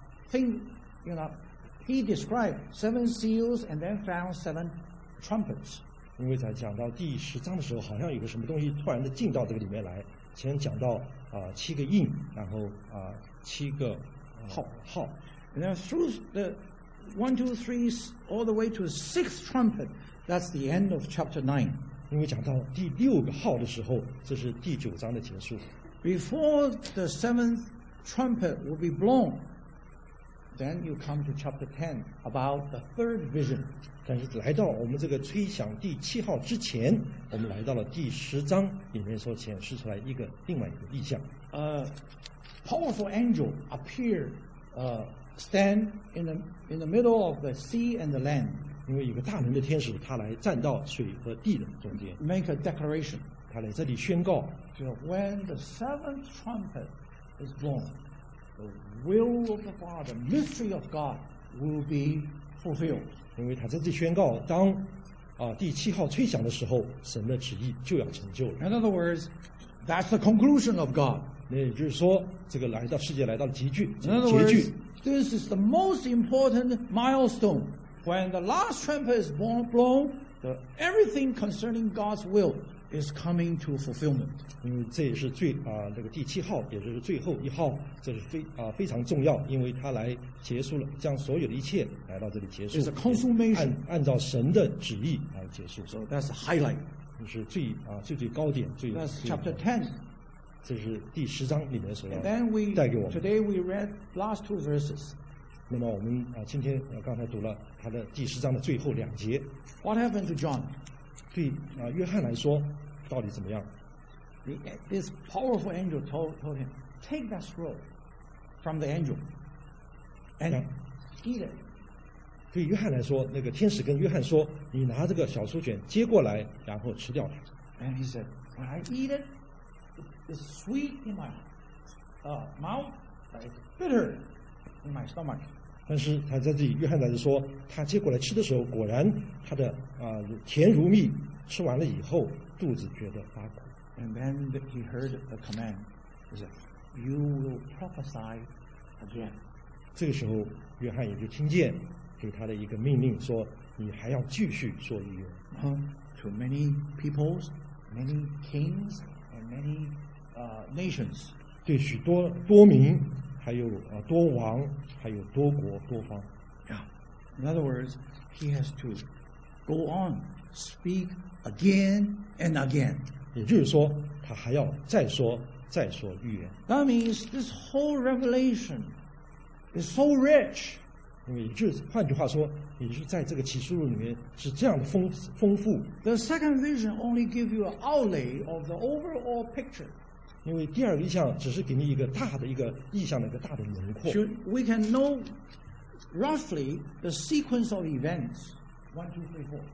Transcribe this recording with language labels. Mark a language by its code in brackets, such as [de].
[en] Thing, you know, he described seven seals and then found seven trumpets. [zh] 因为在讲到第十章的时候，好像有个什么东西突然的进到这个里面来。先讲到七个印，然后七个号。 [en] And then through the one, two, three, all the way to the sixth trumpet, that's the end of chapter nine. [zh] 因为讲到第六个号的时候，这是第九章的结束。 [en] Before the seventh. Trumpet will be blown. Then you come to chapter 10 about the third vision. [zh] 但是来到我们这个吹响第七号之前，我们来到了第十章里面所显示出来一个另外一个意象。 [en] A powerful angel appeared, stand in the middle of the sea and the land. [zh] 因为有个大能的天使，他来站到水和地的中间。 [en] Make a declaration. [zh] 他来这里宣告。 [en] So when the seventh trumpet. Is blown. The will of the Father, mystery of God, will be fulfilled. [zh] 因为他在这宣告，当第七号吹响的时候，神的旨意就要成就了。 [en] In other words, that's the conclusion of God. [zh] 那也就是说，这个来到世界来到了结局。 [en] In other words, this is the most important milestone. When the last trumpet is blown, everything concerning God's will. Is coming to fulfillment. [zh] 因为这也是最这个第七号，也就是最后一号，这是非常重要，因为它来结束了，将所有的一切来到这里结束。 [en] It's a consummation. [zh] 按照神的旨意来结束。 [en] So that's a highlight. [zh] 是最啊最最高点最。 [en] That's chapter ten. [zh] 这是第十章里面所要带给我 [en] 们。And then we today we read last two verses. [zh] 那么我们啊今天啊刚才读了他的第十章的最后两节。 [en] What happened to John? [zh] 对啊约翰来说到底怎么样 [en] ？This powerful angel told him, take that scroll from the angel and eat it. [zh] 对约翰来说，那个天使跟约翰说：“你拿这个小书卷接过来，然后吃掉它。” [en] And he said, "When I eat it, it's sweet in my mouth, but it's bitter in my stomach." [zh] 但是他在这里，约翰在这说，他接过来吃的时候，果然他的啊、甜如蜜，吃完了以后肚子觉得发苦。 [en] And then he heard a command. He said, "You will prophesy again." [zh] 这个时候，约翰也就听见。给他的一个命令说你还要继续说预言、 [en] to many peoples many kings and many nations [zh] 对许多多民还有、多王还有多国多方、 [en] in other words he has to go on speak again and again [zh] 也就是说他还要再说再说预言 [en] that means this whole revelation is so rich [zh] 因为就是换句话说，也就是在这个启示录里面是这样的丰富。 [en] The second vision only give you an outlay of the overall picture. [zh] 因为第二个意象只是给你一个大的一个意象的一个大的轮廓。 [en] So we can know roughly the sequence of events, 1, 2, 3, 4.